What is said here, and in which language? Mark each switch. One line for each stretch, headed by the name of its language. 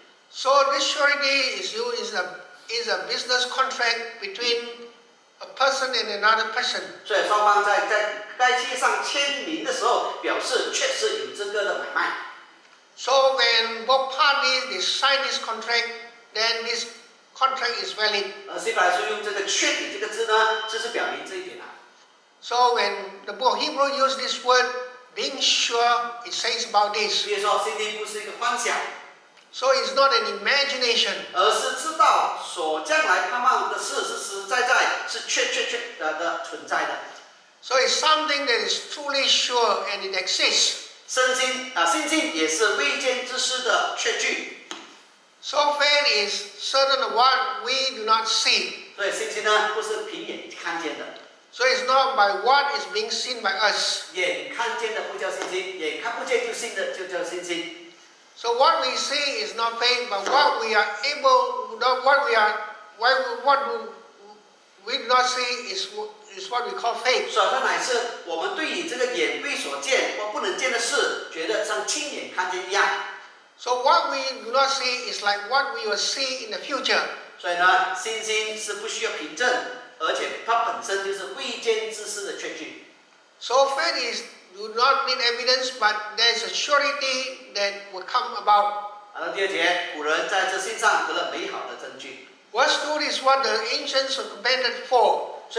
English: So this surety is used is a business contract between a person and another person.
Chinese: 所以双方在该契约上签名的时候，表示确实有这个的买卖。
English: So when both parties sign this contract, then this. Contract is valid.
Chinese: 希伯来书用这个确底这个字呢，就是表明这一点了。
English: So when the book of Hebrew use this word, being sure, it says about this.
Chinese: 比如说，信心不是一个幻想。
English: So it's not an imagination.
Chinese: 而是知道所将来盼望的事是实在在，是确存在的。
English: So it's something that is truly sure and it exists.
Chinese: 信心也是未见之事的确据。
English: So faith is certain of what we do not see.
Chinese: 所以信心呢，不是凭眼看见的。
English: So it's not by what is being seen by us.
Chinese: 眼看见的不叫信心，眼看不见就信的就叫信心。
English: So what we see is not faith, but what we are able, what we do not see is what we call faith.
Chinese: So 本来是我们对于这个眼未所见或不能见的事，觉得像亲眼看见一样。
English: So what we do not see is like what we will see in the future.
Chinese: 所以呢，信心是不需要凭证，而且它本身就是未见之事的确据。
English: So faith is do not need evidence, but there is a surety that will come about.
Chinese: 好的，第二节，古人在这信上得了美好的证据。
English: What's good is what the ancients were commended for.